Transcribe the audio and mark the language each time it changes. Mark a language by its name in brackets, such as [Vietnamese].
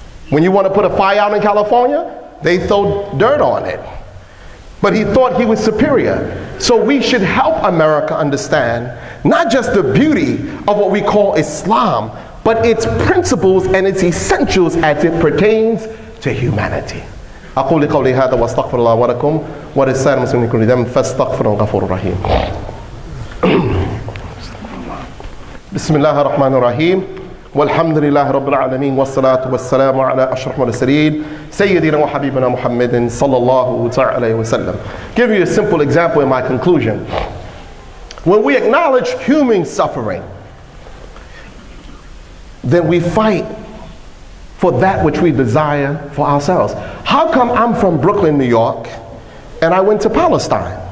[English] When you want to put a fire out in California, they throw dirt on it. But he thought he was superior. So we should help America understand not just the beauty of what we call Islam, but its principles and its essentials as it pertains to humanity. [Arabic] أقول قولي هذا واستغفر الله ولكم وللسائر المسلمين كل ذنب فاستغفر الغفور الرحيم بسم الله الرحمن الرحيم والحمد لله رب العالمين والصلاة والسلام على أشرف المرسلين سيدنا وحبيبنا محمد صلى الله عليه وسلم. [English] Give you a simple example in my conclusion. When we acknowledge human suffering, then we fight for that which we desire for ourselves. How come I'm from Brooklyn, New York, and I went to Palestine?